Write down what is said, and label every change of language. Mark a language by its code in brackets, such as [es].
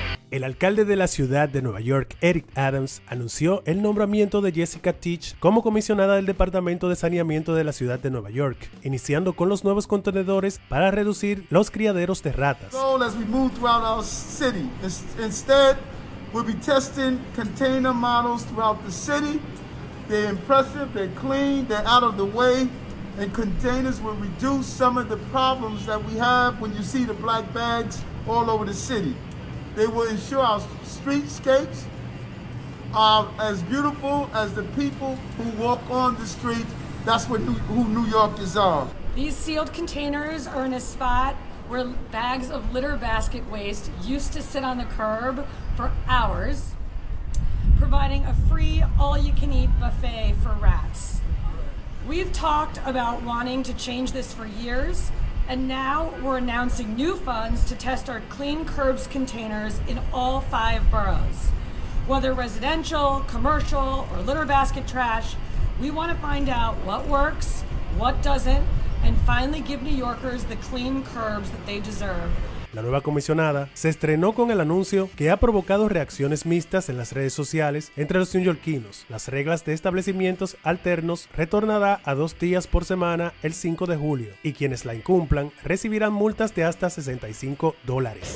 [es] El alcalde de la ciudad de Nueva York, Eric Adams, anunció el nombramiento de Jessica Tisch como comisionada del Departamento de Saneamiento de la ciudad de Nueva York, iniciando con los nuevos contenedores para reducir los criaderos de ratas. [en] As we move throughout our city, instead, we'll be testing container models throughout the city. They're impressive, they're clean, they're out of the way, and containers will reduce some of the problems that we have when you see the black bags all over the city. They will ensure our streetscapes are as beautiful as the people who walk on the street. That's what who New Yorkers are. These sealed containers are in a spot where bags of litter basket waste used to sit on the curb for hours, providing a free all-you-can-eat buffet for rats. We've talked about wanting to change this for years, and now we're announcing new funds to test our clean curbs containers in all five boroughs. Whether residential, commercial, or litter basket trash, we want to find out what works, what doesn't, and finally give New Yorkers the clean curbs that they deserve. [es] La nueva comisionada se estrenó con el anuncio que ha provocado reacciones mixtas en las redes sociales entre los neoyorquinos. Las reglas de establecimientos alternos retornará a 2 días por semana el 5 de julio y quienes la incumplan recibirán multas de hasta $65.